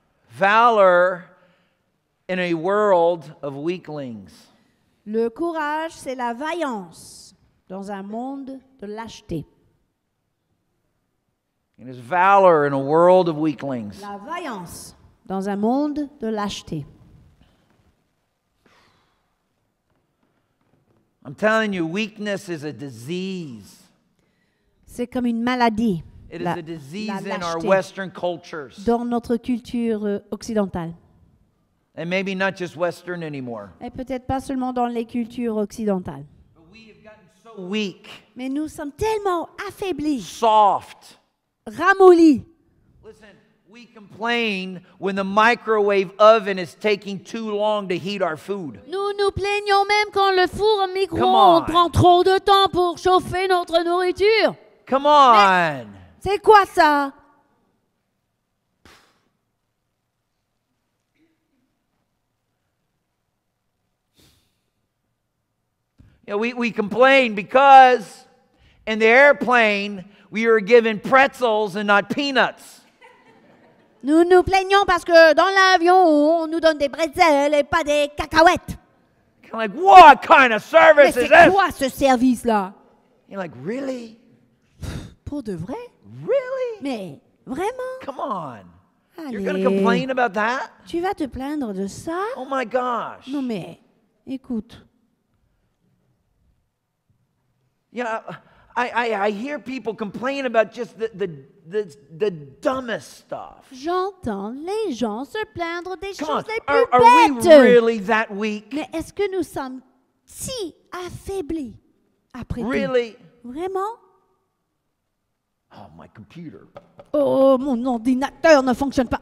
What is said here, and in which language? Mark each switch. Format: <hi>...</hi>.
<en>Valor in a world of weaklings.</en> <fr>Le courage, c'est la vaillance dans un monde de lâcheté.</fr> <en>It is valor in a world of weaklings.</en> <fr>La vaillance dans un monde de lâcheté.</fr> <en>I'm telling you, weakness is a disease.</en> <fr>C'est comme une maladie.</fr> <en>It is a disease in our Western cultures.</en> <fr>Dans notre culture occidentale.</fr> <en>And maybe not just Western anymore.</en> <fr>Et peut-être pas seulement dans les cultures occidentales.</fr> <en>But we have gotten so weak.</en> <fr>Mais nous sommes tellement affaiblis.</fr> <en>Soft.</en> <fr>Ramollis.</fr> <en>Listen, we complain when the microwave oven is taking too long to heat our food.</en> <fr>Nous nous plaignons même quand le four à micro-ondes prend trop de temps pour chauffer notre nourriture.</fr> <en>Come on.</en> <fr>Mais c'est quoi ça?</fr> <en>You know, we complain because in the airplane we were given pretzels and not peanuts.</en> <fr>Nous nous plaignons parce que dans l'avion on nous donne des bretzels et pas des cacahuètes.</fr> <en>I'm like, what kind of service</en> <fr>Mais</fr> <en>is this?</en> <fr>C'est quoi ce service là?</fr> <en>You're like, really?</en> <fr>Pour de vrai?</fr> <en>Really?</en> <fr>Mais vraiment?</fr> <en>Come on.</en> <fr>Allez.</fr> <en>You're gonna complain about that?</en> <fr>Tu vas te plaindre de ça?</fr> <en>Oh my gosh.</en> <fr>Non mais, écoute.</fr> <en>Yeah, I hear people complain about just the dumbest stuff.</en> <fr>J'entends les gens se plaindre des</fr> <en>Come</en> <fr>choses</fr> <en>on,</en> <fr>les plus bêtes.</fr> <en>Are we really that weak?</en> <fr>Mais est-ce que nous sommes si affaiblis après tout?</fr> <en>Really?</en> <fr>Vraiment?</fr> <en>Oh, my computer.</en> <fr>Oh, mon ordinateur ne fonctionne pas.</fr>